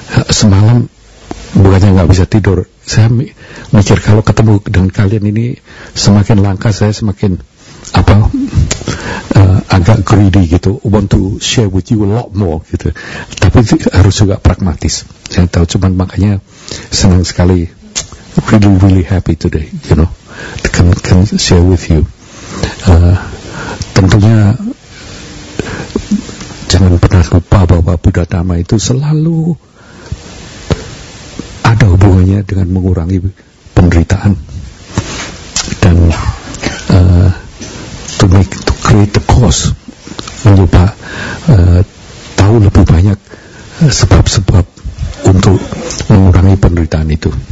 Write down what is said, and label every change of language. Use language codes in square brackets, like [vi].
[id] Semalam bukannya nggak bisa tidur, saya mikir kalau ketemu dengan kalian ini semakin langka saya semakin apa agak greedy gitu, [en] want to share with you a lot more [id] gitu. Tapi harus juga pragmatis. Saya tahu, cuman makanya senang sekali, [en] really really happy today, you know, to can share with you. [id] Tentunya jangan pernah lupa bahwa Buddha Dhamma itu selalu ada hubungannya dengan mengurangi penderitaan dan [en] to create the cause, [id] mencoba tahu lebih banyak sebab-sebab untuk mengurangi penderitaan itu.